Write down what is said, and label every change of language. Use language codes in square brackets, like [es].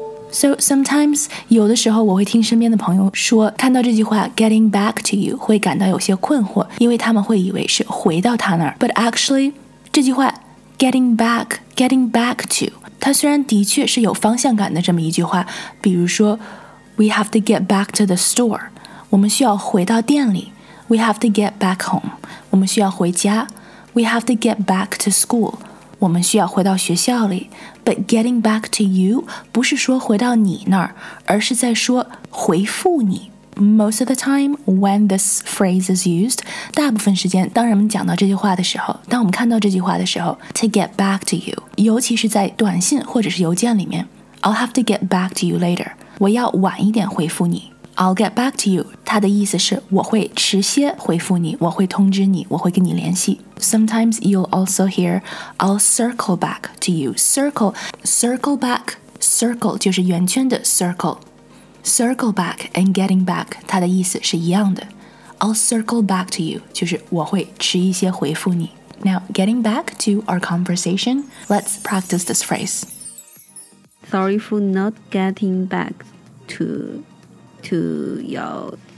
[en] So sometimes, [zh] 有的时候我会听身边的朋友说，看到这句话 getting back to you 会感到有些困惑，因为他们会以为是回到他那儿。 [en] But actually, [zh] 这句话 [en] getting back, getting back to. [zh] 它虽然的确是有方向感的这么一句话，比如说 [en] we have to get back to the store, [zh] 我们需要回到店里。 [en] We have to get back home, [zh] 我们需要回家。 [en] We have to get back to school, [zh] 我们需要回到学校里。 [en] But getting back to you [zh] 不是说回到你那儿，而是在说回复你。 [en] Most of the time, when this phrase is used, [zh] 大部分时间当人们讲到这句话的时候，当我们看到这句话的时候 to get back to you, 尤其是在短信或者是邮件里面 [en] I'll have to get back to you later, [zh] 我要晚一点回复你 [en] I'll get back to you, [zh] 它的意思是我会迟些回复你，我会通知你，我会跟你联系。 [en] Sometimes you'll also hear, I'll circle back to you, circle, circle back, circle [zh] 就是圆圈的 [en] circle,Circle back and getting back, 它的意思是一样的。 I'll circle back to you, [zh] 就是我会迟一些回复你。 [en] Now, getting back to our conversation, let's practice this phrase. Sorry for not getting back to your...